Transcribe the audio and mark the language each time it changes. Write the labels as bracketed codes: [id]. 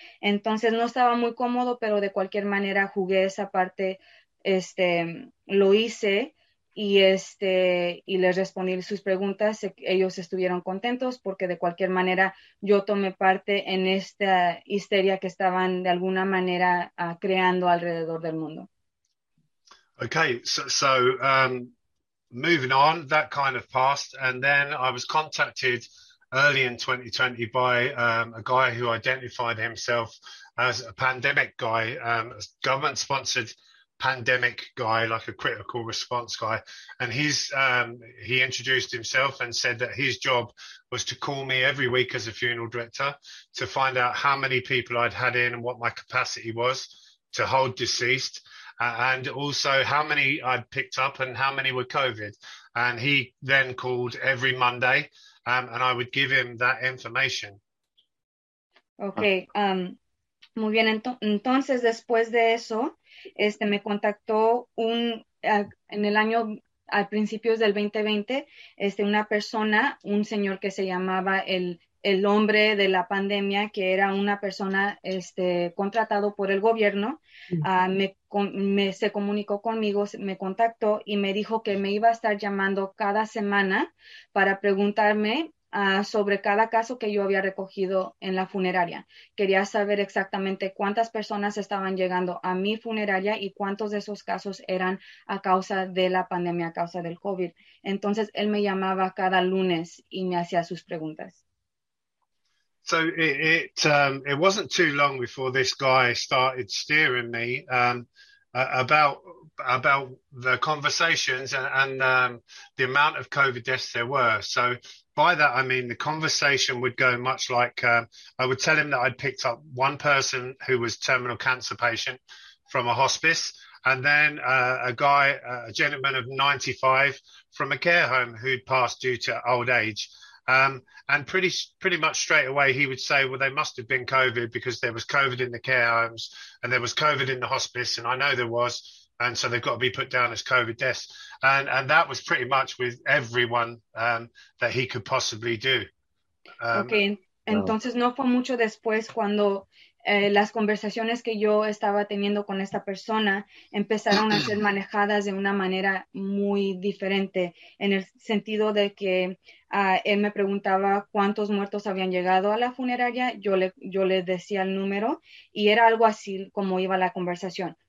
[es] Entonces no estaba muy cómodo, pero de cualquier manera jugué esa parte, lo hice, y les respondí sus preguntas. Ellos estuvieron contentos porque de cualquier manera yo tomé parte en esta histeria que estaban de alguna manera creando alrededor del mundo. [en] Okay, so moving on, that kind of passed, and then I was contacted early in 2020 by a guy who identified himself as a pandemic guy, a government-sponsored pandemic guy, like a critical response guy, and he introduced himself and said that his job was to call me every week as a funeral director to find out how many people I'd had in and what my capacity was to hold deceased, and also how many I'd picked up and how many were COVID. And he then called every Monday, and I would give him that information. [es] Okay, muy bien. Entonces, después de eso, me contactó en el año, a principios del 2020, una persona, un señor que se llamaba el hombre de la pandemia, que era una persona contratado por el gobierno. Se comunicó conmigo, me contactó y me dijo que me iba a estar llamando cada semana para preguntarme sobre cada caso que yo había recogido en la funeraria. Quería saber exactamente cuántas personas estaban llegando a mi funeraria y cuántos de esos casos eran a causa de la pandemia, a causa del COVID. Entonces, él me llamaba cada lunes y me hacía sus preguntas. [en] So it wasn't too long before this guy started steering me about the conversations and the amount of COVID deaths there were. So by that I mean the conversation would go much like I would tell him that I'd picked up one person who was terminal cancer patient from a hospice, and then a gentleman of 95 from a care home who'd passed due to old age. And pretty much straight away, he would say, "Well, they must have been COVID because there was COVID in the care homes and there was COVID in the hospice, and I know there was, and so they've got to be put down as COVID deaths." And that was pretty much with everyone that he could possibly do. Ok, Wow. [es] entonces no fue mucho después cuando las conversaciones que yo estaba teniendo con esta persona empezaron a ser manejadas de una manera muy diferente, en el sentido de que él me preguntaba cuántos muertos habían llegado a la funeraria, yo le decía el número y era algo así como iba la conversación.